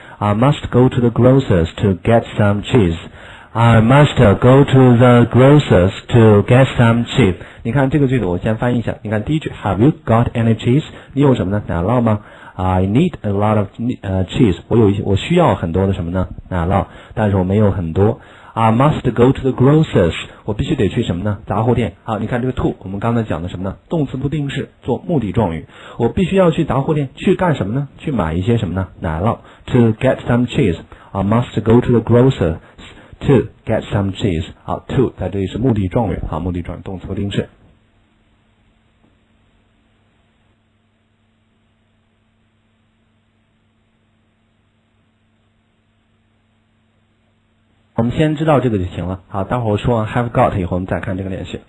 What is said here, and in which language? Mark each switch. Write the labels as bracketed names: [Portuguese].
[English] I must go to the grocer's to get some cheese. I must go to the grocer's to get some cheese. [Chinese] 你看这个句子，我先翻译一下。你看第一句 ， [English] Have you got any cheese? [Chinese] 你有什么呢？奶酪吗？ [English] I need a lot of cheese. [Chinese] 我需要很多的什么呢？奶酪，但是我没有很多。 [English] I must go to the grocer's. [Chinese] 我必须得去什么呢？杂货店。好，你看这个 to， 我们刚才讲的什么呢？动词不定式，做目的状语。我必须要去杂货店，去干什么呢？去买一些什么呢？奶酪。 [English] To get some cheese. I must go to the grocer's to get some cheese. [Chinese] 好 ，to 在这里是目的状语。好，目的状语，动词不定式。我们先知道这个就行了。好，待会儿我说完 have got 以后，我们再看这个练习。